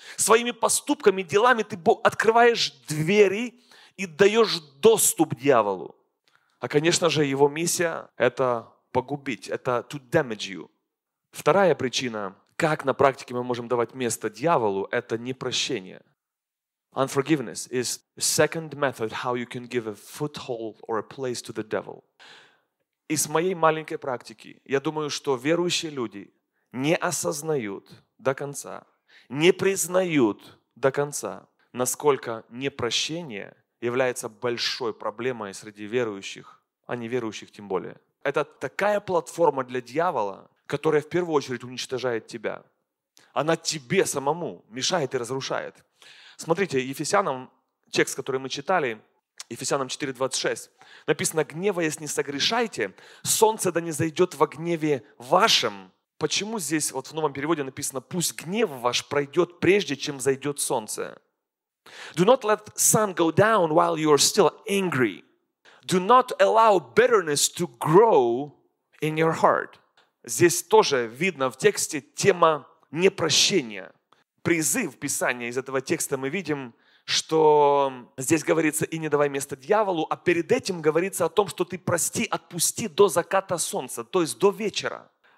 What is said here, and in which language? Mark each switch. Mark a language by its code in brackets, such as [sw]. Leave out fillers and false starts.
[ru] Своими поступками, делами ты открываешь двери и даешь доступ дьяволу. А, конечно же, его миссия – это погубить, это [en] to damage you. [ru] Вторая причина, как на практике мы можем давать место дьяволу – это непрощение. [en] Unforgiveness is the second method how you can give a foothold or a place to the devil. [ru] Из моей маленькой практики, я думаю, что верующие люди не осознают до конца, не признают до конца, насколько непрощение является большой проблемой среди верующих, а не верующих тем более. Это такая платформа для дьявола, которая в первую очередь уничтожает тебя. Она тебе самому мешает и разрушает. Смотрите, Ефесянам, текст, который мы читали, Ефесянам 4:26, написано: «Гневаясь, не согрешайте, солнце да не зайдет во гневе вашем». Почему здесь вот в новом переводе написано: «Пусть гнев ваш пройдет прежде, чем зайдет солнце». [en] Do not let sun go down while you are still angry. Do not allow bitterness to grow in your heart. [ru] Здесь тоже видно в тексте тема непрощения. Призыв Писания из этого текста мы видим, что здесь говорится «и не давай место дьяволу», а перед этим говорится о том, что ты прости, отпусти до заката солнца, то есть до вечера.